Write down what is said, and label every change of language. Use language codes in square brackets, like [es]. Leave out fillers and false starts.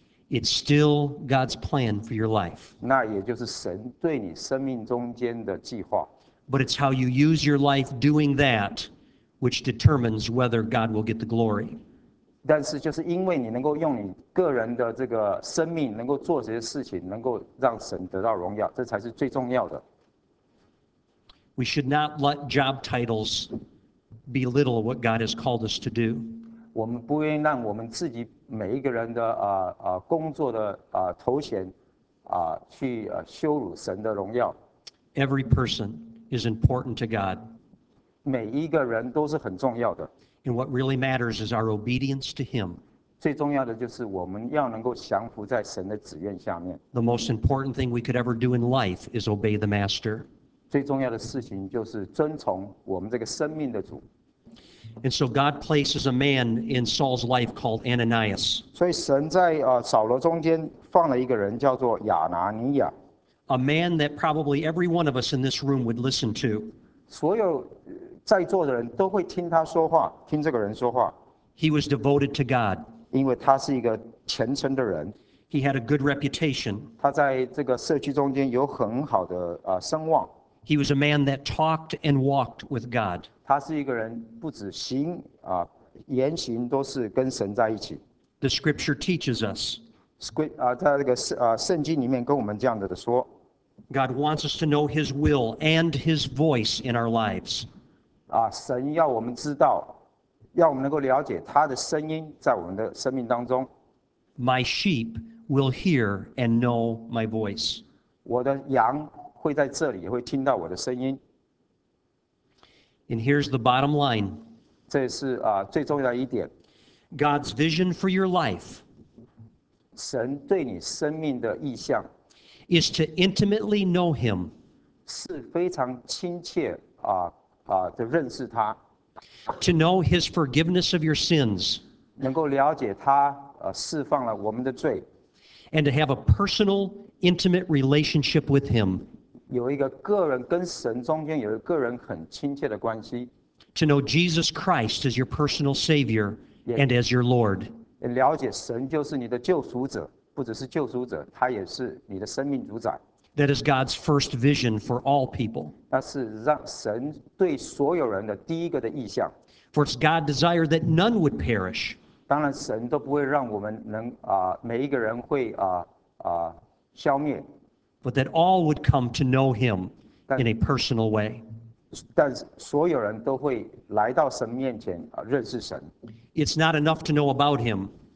[en] It's still God's plan for your life. [zh] 那也就是神对你生命中间的计划。 [en] But it's how you use your life doing that which determines whether God will get the glory. [zh] 但是就是因为你能够用你个人的这个生命能够做这些事情能够让神得到荣耀，这才是最重要的。 [en] We should not let job titles belittle what God has called us to do. [zh] 我们不愿意让我们自己每一个人的工作的头衔去羞辱神的荣耀。 [en] Every person is important to God. [zh] 每一个人都是很重要的。 [en] And what really matters is our obedience to Him. [zh] 最重要的就是我们要能够降服在神的旨愿下面。 [en] The most important thing we could ever do in life is obey the Master. [zh] 最重要的事情就是遵从我们这个生命的主。 [en] And so God places a man in Saul's life called Ananias. [zh] 所以神在扫罗中间放了一个人叫做亚拿尼亚。 [en] A man that probably every one of us in this room would listen to. [zh] 所有在座的人都会听他说话，听这个人说话。 [en] He was devoted to God. [zh] 因为他是一个虔诚的人。 [en] He had a good reputation. [zh] 他在这个社区中间有很好的声望。 [en] He was a man that talked and walked with God. [zh] 他是一个人不止行言行都是跟神在一起。 [en] The scripture teaches us. [zh] 在这个圣经里面跟我们这样子的说。 [en] God wants us to know his will and his voice in our lives. [zh] 神要我们知道，要我们能够了解他的声音在我们的生命当中。 [en] My sheep will hear and know my voice. [zh] 我的羊会在这里也会听到我的声音。 [en] And here's the bottom line. [zh] 这是最重要的一点。 [en] God's vision for your life. [zh] 神对你生命的意向。 [en] Is to intimately know him. [zh] 是非常亲切的认识他。 [en] To know his forgiveness of your sins. [zh] 能够了解他释放了我们的罪。 [en] And to have a personal, intimate relationship with him. [zh] 有一个个人跟神中间有一个人很亲切的关系。 [en] To know Jesus Christ as your personal Savior and as your Lord. [zh] 了解神就是你的救赎者，不只是救赎者，他也是你的生命主宰。 [en] That is God's first vision for all people. [zh] 那是让神对所有人的第一个的意向。 [en] For it's God's desire that none would perish. [zh] 当然，神都不会让我们能每一个人会消灭。 [en] But that all would come to know him in a personal way. [zh] 但所有人都会来到神面前认识神。 [en] It's not enough to know about him.